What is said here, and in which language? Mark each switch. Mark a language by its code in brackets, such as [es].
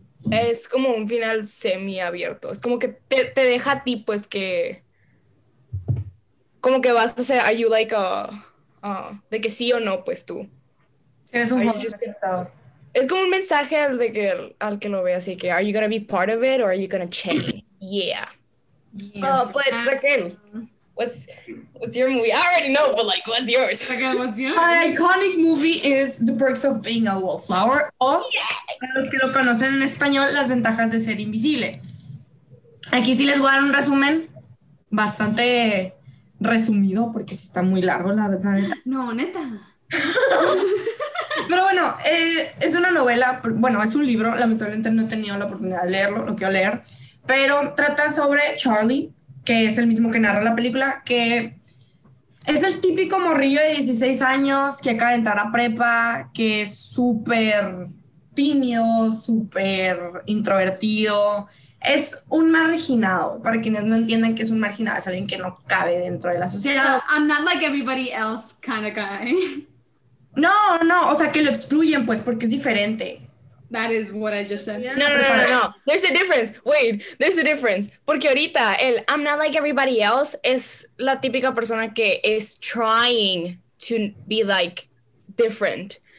[es] Es como un final semiabierto. Es como que te deja a ti, pues, que... Como que vas a ser... [en] Are you like a... [es] de que sí o no, pues, tú. Eres un host. Es como un mensaje de que, al que lo ve, así que... [en] Are you gonna be part of it or are you gonna change? Yeah. Oh, but, again, what's your movie? I already know, but, like, what's yours? My iconic movie is The Perks of Being a Wallflower. [es] Para los que lo conocen en español, Las Ventajas de Ser Invisible. Aquí sí les voy a dar un resumen bastante resumido, porque sí está muy largo, la verdad. No, neta. Pero bueno, es una novela, bueno, es un libro, lamentablemente no he tenido la oportunidad de leerlo, lo quiero leer, pero trata sobre Charlie, que es el mismo que narra la película, que es el típico morrillo de 16 años que acaba de entrar a prepa, que es súper... tímido, súper introvertido, es un marginado, para quienes no entiendan que es un marginado, es alguien que no cabe dentro de la sociedad. [en] So, I'm not like everybody else kind of guy. [es] No, no, o sea que lo excluyen pues porque es diferente. [en] That is what I just said. No. There's a difference. Wait, there's a difference. [es] Porque ahorita el [en] I'm not like everybody else [es] es la típica persona que [en] is trying to be like different.